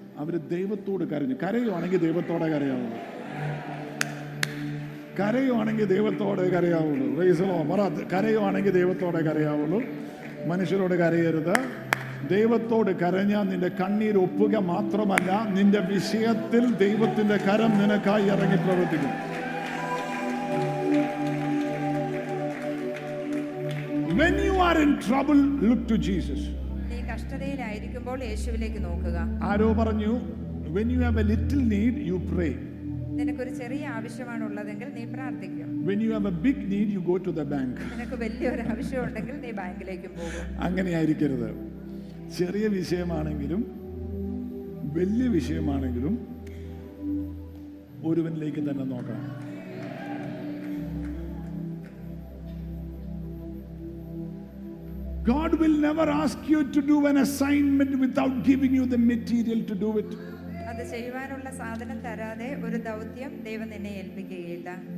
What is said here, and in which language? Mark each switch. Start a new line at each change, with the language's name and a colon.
Malayalam: അവര് ദൈവത്തോട് കരഞ്ഞു. കരയുവാണെങ്കിൽ ദൈവത്തോടെ കരയാവുള്ളു, കരയുവാണെങ്കിൽ ദൈവത്തോടെ കരയാവുള്ളൂ. റൈസലോ പറ, കരയുവാണെങ്കിൽ ദൈവത്തോടെ കരയാവുള്ളൂ. മനുഷ്യരോട് കരയരുത്, ദൈവത്തോട് കരഞ്ഞാൽ നിന്റെ കണ്ണീർ ഒപ്പുക മാത്രമല്ല, നിന്റെ വിഷയത്തിൽ ദൈവത്തിന്റെ കരം നിനക്കായി ഇറങ്ങി പ്രവർത്തിക്കും.
English: When you are in trouble, look to Jesus.
Malayalam: നീ കഷ്ടതയിലായിരിക്കുമ്പോൾ യേശുവിലേക്ക് നോക്കുക. ആരോ പറഞ്ഞു,
English: when you have a little need, you pray.
Malayalam: നിനക്ക് ഒരു ചെറിയ ആവശ്യമാണ് ഉള്ളതെങ്കിൽ നീ പ്രാർത്ഥിക്കും.
English: When you have a big need, you go to the bank.
Malayalam: നിനക്ക് വലിയൊരു ആവശ്യം ഉണ്ടെങ്കിൽ നീ ബാങ്കിലേക്ക് പോകും. അങ്ങനെയായിരിക്കരുത്. ചെറിയ വിഷയമാണെങ്കിലും വലിയ വിഷയമാണെങ്കിലും ഒരുവനിലേക്ക് തന്നെ നോക്കണം.
English: God will never ask you to do an assignment without giving you the material to do it.
Malayalam: അത് ചെയ്യാനുള്ള സാധനം തരാതെ ഒരു ദൗത്യം ദൈവം നിന്നെ ഏൽപ്പിക്കുകയില്ല.